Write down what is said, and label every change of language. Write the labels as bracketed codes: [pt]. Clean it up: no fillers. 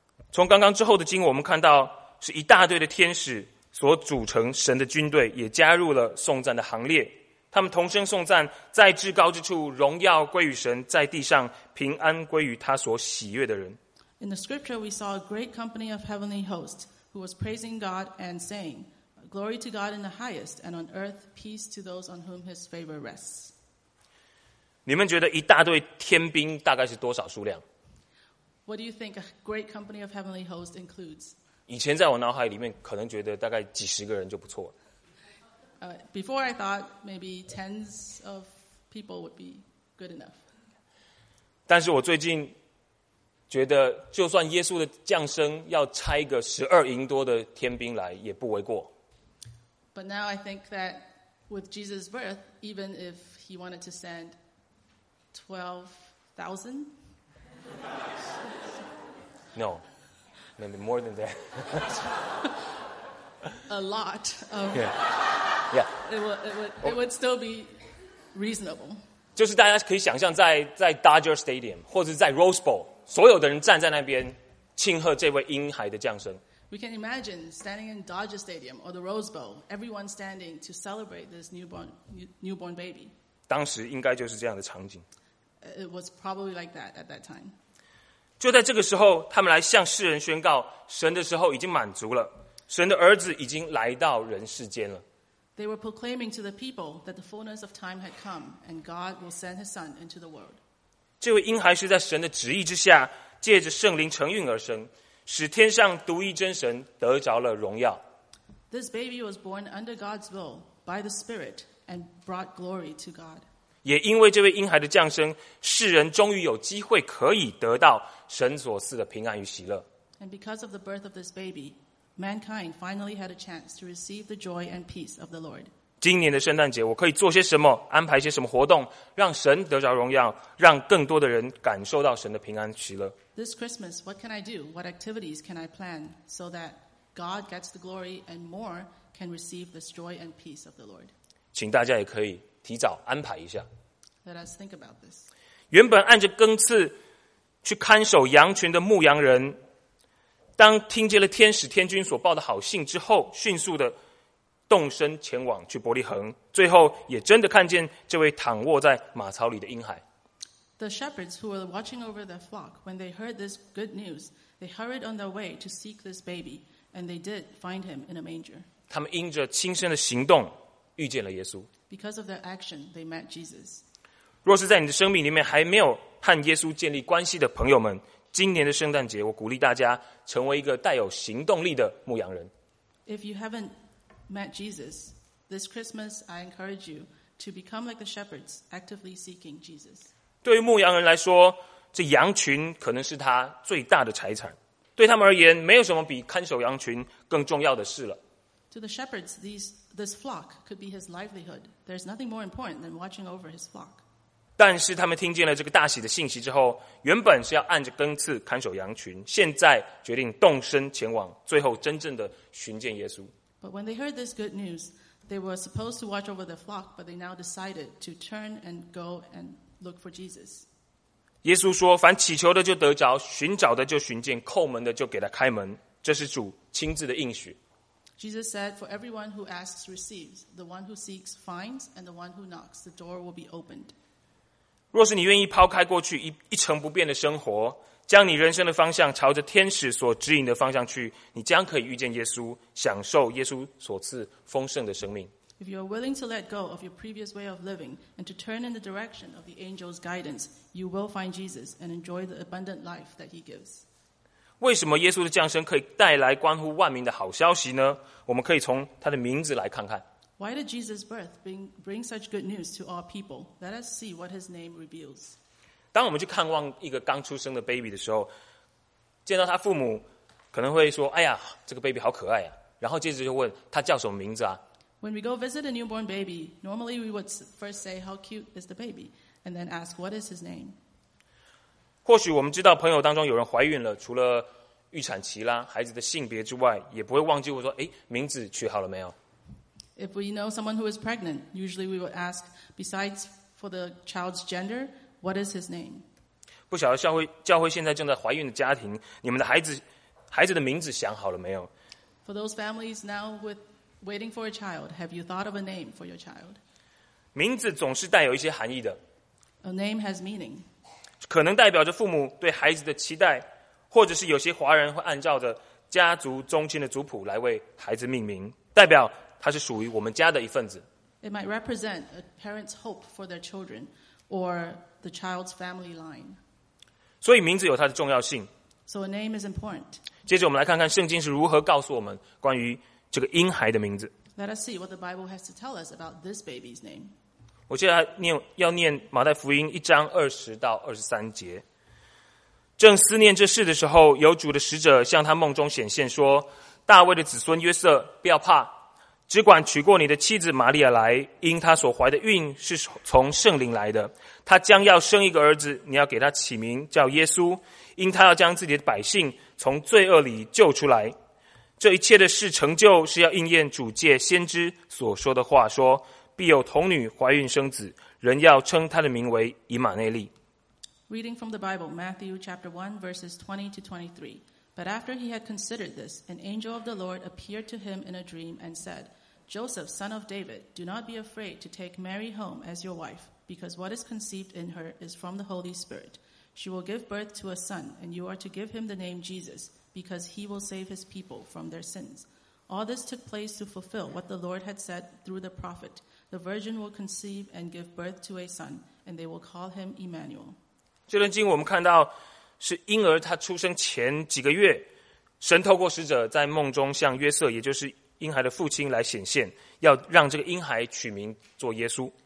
[zh] 从刚刚之后的经文，我们看到是一大队的天使所组成神的军队，也加入了颂赞的行列。他们同声颂赞，在至高之处荣耀归于神，在地上平安归于他所喜悦的人。 [en] In the scripture, we saw a great company of heavenly hosts who was praising God and saying, "Glory to God in the highest, and on earth peace to those on whom His favor rests." [zh] 你们觉得一大队天兵大概是多少数量 [en] ？What do you think a great company of heavenly hosts includes? [zh] 以前在我脑海里面，可能觉得大概几十个人就不错了。 [en] Before I thought maybe tens of people would be good enough. [zh] 但是我最近觉得，就算耶稣的降生要差一个十二营多的天兵来，也不为过。 [en] But now I think that with Jesus' birth, even if he wanted to send 12,000? No, maybe more than that. A lot of. Yeah. It would still be reasonable. [zh] 就是大家可以想象在 Dodger Stadium 或者在 Rose Bowl， 所有的人站在那边庆贺这位婴孩的降生。 [en] We can imagine standing in Dodger Stadium or the Rose Bowl, everyone standing to celebrate this newborn baby. [zh] 当时应该就是这样的场景。 [en] It was probably like that at that time. [zh] 就在这个时候，他们来向世人宣告，神的时候已经满足了，神的儿子已经来到人世间了。 [en] They were proclaiming to the people that the fullness of time had come and God will send his son into the world. [zh] 这位婴孩是在神的旨意之下借着圣灵承运而生，使天上独一真神得着了荣耀。 [en] This baby was born under God's will by the Spirit and brought glory to God. [zh] 也因为这位婴孩的降生，世人终于有机会可以得到神所赐的平安与喜乐。 [en] And because of the birth of this baby,Mankind finally had a chance to receive the joy and peace of the Lord. [zh] 今年的圣诞节，我可以做些什么，安排些什么活动，让神得着荣耀，让更多的人感受到神的平安喜乐。 [en] This Christmas, what can I do? What activities can I plan so that God gets the glory and more can receive this joy and peace of the Lord? [zh] 请大家也可以提早安排一下。 [en] Let us think about this. [zh] 原本按着更次去看守羊群的牧羊人，当听见了天使天君所报的好信之后，迅速的动身前往去伯利恒，最后也真的看见这位躺卧在马槽里的婴孩。 [en] The shepherds who were watching over their flock, when they heard this good news, they hurried on their way to seek this baby, and they did find him in a manger. [zh] 他们因着亲身的行动遇见了耶稣。 [en] Because of their action, they met Jesus. [zh] 若是在你的生命里面还没有和耶稣建立关系的朋友们，今年的圣诞节，我鼓励大家成为一个带有行动力的牧羊人。 [en] If you haven't met Jesus, this Christmas I encourage you to become like the shepherds, actively seeking Jesus. [zh] 对于牧羊人来说，这羊群可能是他最大的财产。对他们而言，没有什么比看守羊群更重要的事了。 [en] To the shepherds, this flock could be his livelihood. There's nothing more important than watching over his flock. [zh] 但是他们听见了这个大喜的信息之后，原本是要按着更次看守羊群，现在决定动身前往，最后真正的寻见耶稣。 [en] But when they heard this good news, they were supposed to watch over the flock, but they now decided to turn and go and look for Jesus. [zh] 耶稣说：“凡祈求的就得着，寻找的就寻见，叩门的就给他开门。” 这是主亲自的应许。 [en] Jesus said, "For everyone who asks receives; the one who seeks finds; and the one who knocks, the door will be opened." [zh] 若是你愿意抛开过去 一成不变的生活，将你人生的方向朝着天使所指引的方向去，你将可以遇见耶稣，享受耶稣所赐丰盛的生命。 [en] If you are willing to let go of your previous way of living and to turn in the direction of the angel's guidance, you will find Jesus and enjoy the abundant life that he gives. [zh] 为什么耶稣的降生可以带来关乎万民的好消息呢？我们可以从他的名字来看看。 [en] Why did Jesus' birth bring such good news to all people? Let us see what his name reveals. [zh] 当我们去看望一个刚出生的 baby 的时候，见到他父母可能会说，哎呀，这个 baby 好可爱啊。然后接着就问他叫什么名字啊？ [en] When we go visit a newborn baby, normally we would first say, how cute is the baby? And then ask, what is his name? [zh] 或许我们知道朋友当中有人怀孕了，除了预产期啦，孩子的性别之外，也不会忘记我说，哎，名字取好了没有？ [en] If we know someone who is pregnant, usually we would ask, besides for the child's gender, what is his name? [zh] 不晓得教会现在正在怀孕的家庭，你们的孩子的名字想好了没有？ [en] For those families now withWaiting for a child, have you thought of a name for your child? [zh] 名字总是带有一些含义的。 [en] A name has meaning. [zh] 可能代表着父母对孩子的期待，或者是有些华人会按照着家族宗亲的族谱来为孩子命名，代表他是属于我们家的一份子。 [en] It might represent a parent's hope for their children or the child's family line. [zh] 所以名字有它的重要性。 [en] So a name is important. [zh] 接着我们来看看圣经是如何告诉我们关于这个婴孩的名字。 [en] Let us see what the Bible has to tell us about this baby's name. [zh] 我接下来要念马太福音一章二十到二十三节。正思念这事的时候，有主的使者向他梦中显现说，大卫的子孙约瑟，不要怕，只管娶过你的妻子玛利亚来，因她所怀的孕是从圣灵来的。她将要生一个儿子，你要给他起名叫耶稣，因他要将自己的百姓从罪恶里救出来。这一切的事成就是要应验主借先知所说的话，说必有童女怀孕生子，人要称他的名为以马内利。 [en] Reading from the Bible, Matthew chapter 1, verses 20 to 23. But after he had considered this, an angel of the Lord appeared to him in a dream and said, Joseph, son of David, do not be afraid to take Mary home as your wife, because what is conceived in her is from the Holy Spirit. She will give birth to a son, and you are to give him the name Jesus. Because he will save his people from their sins. All this took place to fulfill what the Lord had said through the prophet. The virgin will conceive and give birth to a son, and they will call him Emmanuel. [zh] 这段经我们看到是婴儿他出生前几个月，神透过使者在梦中向约瑟，也就是婴孩的父亲来显现，要让这个婴孩取名做耶稣。